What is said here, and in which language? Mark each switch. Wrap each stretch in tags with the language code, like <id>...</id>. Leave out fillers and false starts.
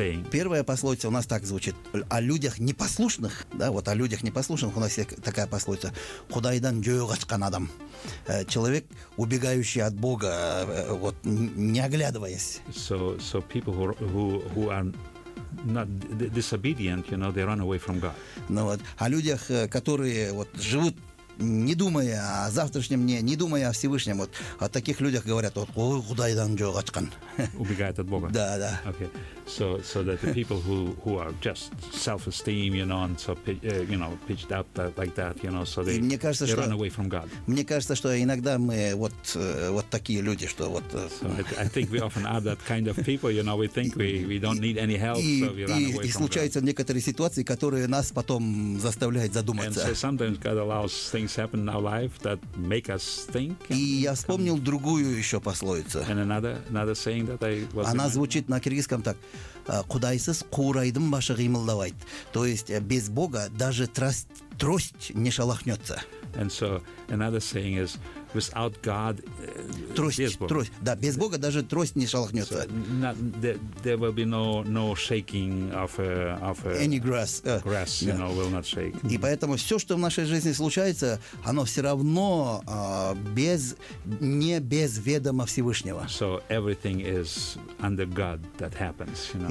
<ru>Первая пословица у нас так звучит. О людях непослушных, да, вот о людях непослушных у нас есть такая пословица.</ru> <ky>Худайдан джойгачкан адам.</ky> <ru>Человек, убегающий от Бога, вот, не оглядываясь.</ru> <en>So people who are not disobedient, you know, they run away from God.</en> <ru>Ну вот, о людях, которые вот живут не думая о завтрашнем дне, не думая о Всевышнем, вот о таких людях говорят, вот ой,</ru> <ky>худайдан джойгачкан.</ky> <ru>Убегает от Бога. Да, да.</ru> <en>Okay, so that the people who are just self-esteem, you know, and so you know, pitched up like that, you know, so they run away from God.</en> <ru>Мне кажется, что иногда мы вот такие люди, что вот.</ru> <en>So I think we often are that kind of people, you know, we think we don't need any help, so we run away from God.</en> <ru>И случаются некоторые ситуации, которые нас потом заставляют задуматься.</ru> <en>And so sometimes God allows things happen in our life that make us think.</en> <ru>И я вспомнил другую еще пословицу.</ru> <en>And another saying.</en> <ru>Она звучит на киргизском так.</ru> <ky>Кудайсыз курайдын башы кыймылдабайт.</ky> <ru>То есть без Бога даже трость не шелохнется.</ru> <en>And so another saying is without God,</en> <ru>трость, да, без Бога даже трость не шелохнется.</ru> <en>So, there will be no shaking of any grass. Grass, you know, will not shake.</en> <ru>И поэтому все, что в нашей жизни случается, оно все равно не без ведома Всевышнего.</ru> <en>So everything is under God that happens. You know?</en>